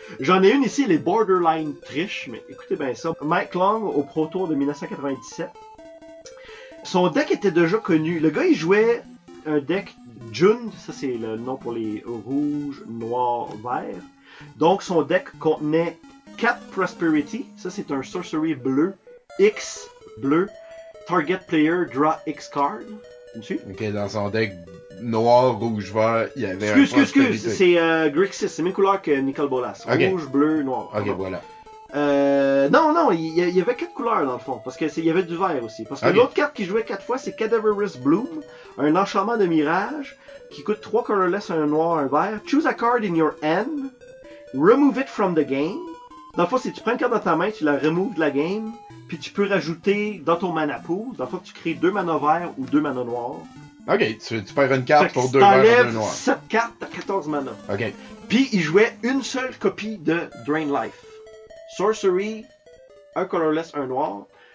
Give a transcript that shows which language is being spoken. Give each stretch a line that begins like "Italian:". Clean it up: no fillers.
French: J'en ai une ici, les borderline triche, mais écoutez bien ça. Mike Long au Pro Tour de 1997. Son deck était déjà connu. Le gars, il jouait un deck June. Ça, c'est le nom pour les rouges, noirs, verts. Donc, son deck contenait 4 Prosperity. Ça, c'est un sorcery bleu. X bleu.
English: Target player, draw X card.
French: Ok, dans son deck noir, rouge, vert, il y avait Excuse, c'est Grixis. C'est la même couleur que Nicole Bolas. Okay. Rouge, bleu, noir. Ok, pardon. Voilà. Non, il y avait 4 couleurs dans le fond, parce qu'il y avait du vert aussi. Parce que okay. L'autre carte qui jouait 4 fois, c'est Cadaverous Bloom, un enchantement de mirage, qui coûte 3 colorless, un noir, un vert.
English: Choose a card in your hand, remove it from the game.
French: Dans le fond, si tu prends une carte dans ta main, tu la remove de la game, puis tu peux rajouter dans ton mana pool. Dans le fond, tu crées 2 mana verts ou 2 mana noirs. Ok, tu perds une carte pour 2 verts ou 2 noirs. 7 cartes, t'as 14 mana. Ok. Puis il jouait une seule copie de Drain Life. Sorcery, un colorless, un noir.